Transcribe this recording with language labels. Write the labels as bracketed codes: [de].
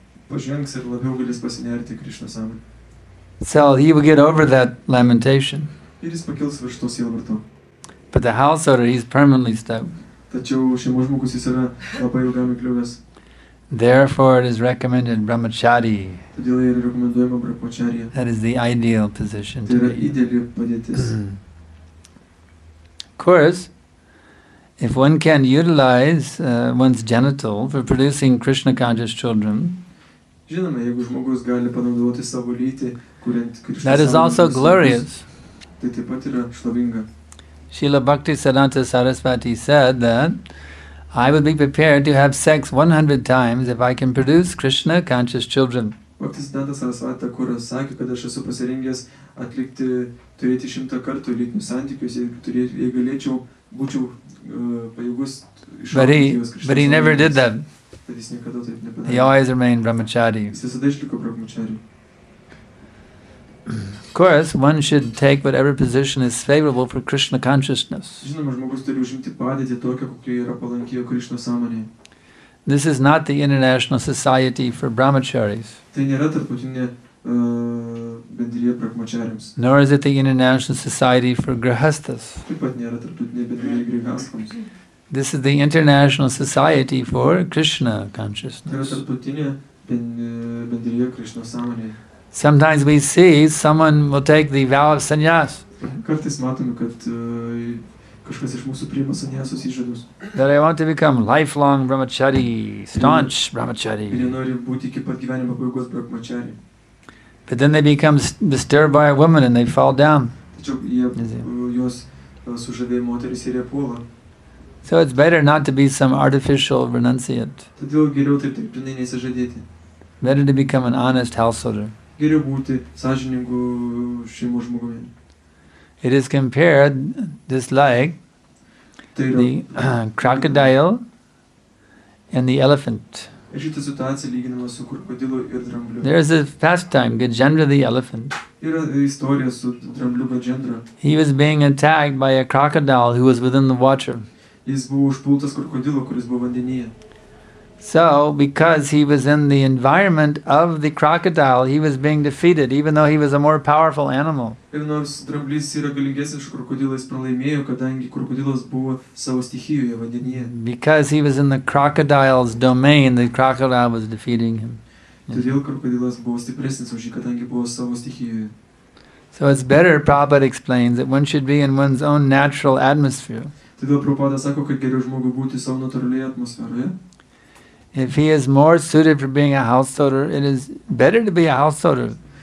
[lt] pažengs ir labiau galės pasinerti Krishna sąmonę. [en] So he will get over that lamentation. [lt] Ir jis pakils virš to sielvarto. [en] But the householder, he's permanently stuck. [lt] Tačiau šeimos žmogus jis yra labai ilgam įkliuvęs. [en] Therefore it is recommended brahmachari. [lt] Todėl yra rekomenduojama brahmacharya. [en] That is the ideal position to be. [lt] Tai yra ideali padėtis. [en] Of course, if one can utilize one's genital for producing Krishna conscious children, [lt] žinoma, jeigu žmogus gali panaudoti savo lytį, kuriant Krishna, [en] that is also glorious. [lt] Tai taip pat yra šlovinga. [en] Śrīla Bhakti Siddhānta Sarasvati said that I would be prepared to have sex 100 times if I can produce Krishna conscious children. [lt] Bhakti Siddhānta Sarasvati, kuris sakė, kad aš esu pasirengęs atlikti, turėti 100 kartų lytinius santykius, jei galėčiau, būčiau pajėgus išaugti juos Krishna. [en] But he never did that. He always remained brahmachari. [lt] Jis visada išliko brahmachari. [en] Of course, one should take whatever position is favorable for Krishna consciousness. [lt] Žinoma, žmogus turi užimti padėtį tokią, kokia yra palanki Krishna sąmonėje. [en] This is not the International Society for Brahmacharis. [lt] Tai nėra tarptautinė bendrija brahmachariams. [en] Nor is it the International Society for Grihasthas. [lt] Taip pat nėra tarptautinė bendrija grihasthams. [en] This is the International Society for Krishna consciousness. [lt] Tai yra tarptautinė bendrija Krishna sąmonėje. [en] Sometimes we see someone will take the vow of sannyas. [lt] Kartais matome, kad kažkas iš mūsų priima sannyasus įžadus. [en] That I want to become lifelong brahmachari, staunch brahmachari. [lt] Ir jie nori būti iki pat gyvenimo pabaigos brahmachari. [en] But then they become disturbed by a woman and they fall down. [lt] Jos sužavėjo moteris ir jie puola. [en] So it's better not to be some artificial renunciate. [lt] Todėl geriau taip dirbtinai nesižadėti. [en] Better to become an honest householder. [lt] Geriau būti sąžiningu šeimos žmogumi. [en] It is compared this like the crocodile and the elephant. [lt] Šita situacija lyginama su krokodilu ir drambliu. [en] There is a pastime, Gajendra the elephant. [lt] Yra istorija su drambliu Gajendra. [en] He was being attacked by a crocodile who was within the water. [lt] Jis buvo užpultas krokodilo, kuris buvo vandenyje. [en] So, because he was in the environment of the crocodile, he was being defeated, even though he was a more powerful animal. [lt] Ir nors dramblys yra galingesnis už krokodilą, jis pralaimėjo, kadangi krokodilas buvo savo stichijoje vandenyje. [en] Because he was in the crocodile's domain, the crocodile was defeating him. [lt] Todėl krokodilas buvo stipresnis už jį, kadangi buvo savo stichijoje. [en] So it's better, Prabhupada explains, that one should be in one's own natural atmosphere. [lt] Todėl Prabhupada sako, kad geriau žmogui būti savo natūralioje atmosferoje. [en] If he is more suited for being a householder, it is better to be a householder.